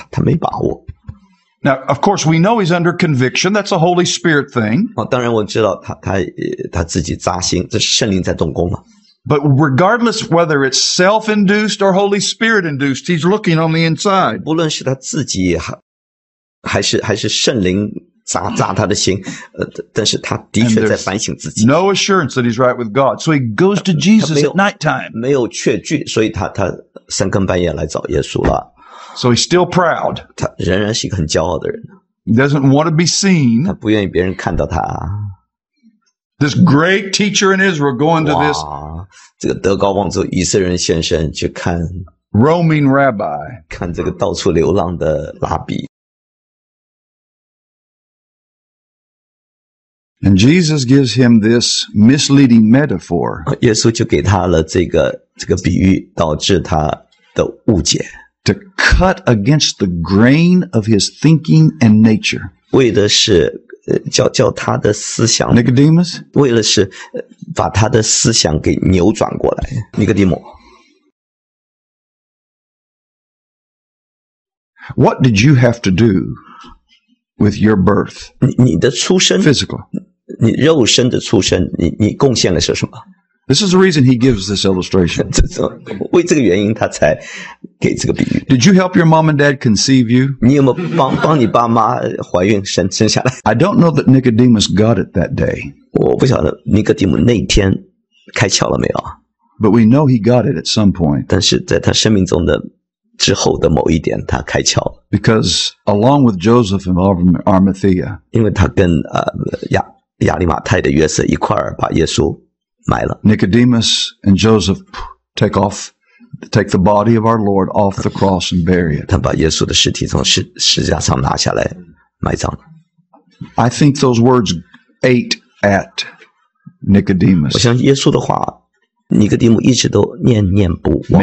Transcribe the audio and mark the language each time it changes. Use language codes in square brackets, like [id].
[zh] 他没把握。 [en] Now, of course, we know he's under conviction. That's a Holy Spirit thing. [zh] 当然我知道他自己扎心，这是圣灵在动工了。 [en] But regardless whether it's self-induced or Holy Spirit-induced, he's looking on the inside. [zh] 不论是他自己还是圣灵扎他的心，但是他的确在反省自己。 [en] No assurance that he's right with God, so he goes to Jesus at nighttime. [zh] 没有确据，所以他三更半夜来找耶稣了。 [en] So he's still proud. [zh] 他仍然是一个很骄傲的人。 [en] He doesn't want to be seen. [zh] 他不愿意别人看到他。 [en] This great teacher in Israel going to this. [zh] 这个德高望重以色列人先生去看 [en] roaming rabbi. [zh] 看这个到处流浪的拉比。 [en] And Jesus gives him this misleading metaphor. [zh] 耶稣就给他了这个比喻，导致他的误解。 [en] To cut against the grain of his thinking and nature. [zh] 为的是叫他的思想。 [en] Nicodemus. [zh] 为了是把他的思想给扭转过来。尼哥底母。 [en] What did you have to do with your birth? [zh] 你的出生。 [en] Physical. [zh] 你肉身的出身，你贡献了些什么？ [en] This is the reason he gives this illustration. [zh] 为这个原因，他才给这个比喻。 [en] Did you help your mom and dad conceive you? [zh] 你有没有帮你爸妈怀孕生下来？ [en] I don't know that Nicodemus got it that day. [zh] 我不晓得尼哥底母那天开窍了没有。 [en] But we know he got it at some point. [zh] 但是在他生命中的之后的某一点，他开窍。 [en] Because along with Joseph of Arimathea, [zh] 因为他跟亚利马太的约瑟一块儿把耶稣埋了。 [en] Nicodemus and Joseph take the body of our Lord off the cross and bury it. [zh] 他把耶稣的尸体从十字架上拿下来埋葬了。 [en] I think those words ate at Nicodemus. [zh] 我相信耶稣的话，尼哥底母一直都念念不忘。